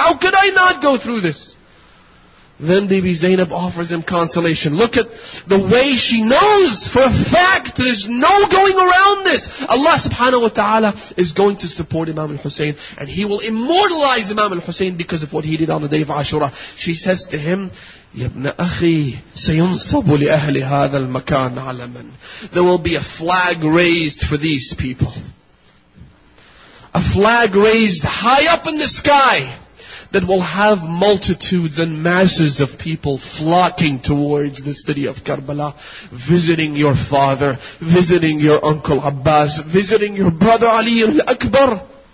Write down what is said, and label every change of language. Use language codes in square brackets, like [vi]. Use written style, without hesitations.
[en] How could I not go through this? Then Bibi Zainab offers him consolation. Look at the way she knows for a fact there's no going around this. Allah subhanahu wa ta'ala is going to support Imam al-Hussein, and he will immortalize Imam al-Hussein because of what he did on the day of Ashura. She says to him, [ar] يَبْنَ أَخِي سَيُنْصَبُ لِأَهْلِ هَذَا الْمَكَانِ عَلَمًا. [en] There will be a flag raised for these people. A flag raised high up in the sky that will have multitudes and masses of people flocking towards the city of Karbala, visiting your father, visiting your uncle Abbas, visiting your brother Ali al-Akbar.